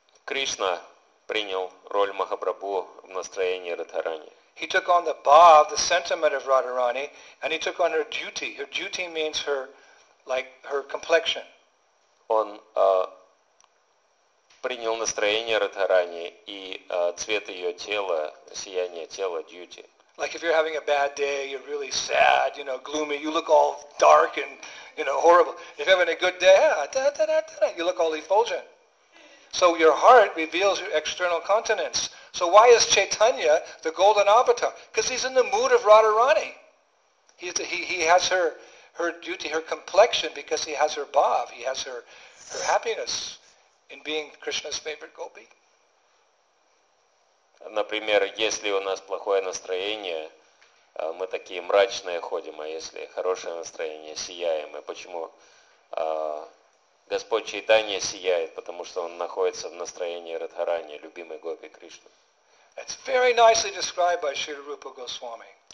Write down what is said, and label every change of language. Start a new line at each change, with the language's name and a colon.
Russian: Кришна принял роль Махапрабху в настроении Радхарани.
English: He took on the bhav, the sentiment of Radharani, and he took on her duty. Her duty means her, like, her complexion.
Russian: Он принял настроение Радхарани и цвет ее тела, сияние тела, duty.
English: Like if you're having a bad day, you're really sad, you know, gloomy, you look all dark and, you know, horrible. If you're having a good day, you look all effulgent. So your heart reveals your external continence. So why is Chaitanya the golden avatar? Because he's in the mood of Radharani. He has her duty, her complexion, because he has her bhav. He has her happiness in being Krishna's favorite gopi.
Russian: Например, если у нас плохое настроение, мы такие мрачные ходим, а если хорошее настроение, сияем. И почему Господь Чайтанья сияет? Потому что он находится в настроении Радхарани, любимой гопи Кришны.
English: It's very nicely described by Sri Rupa Goswami.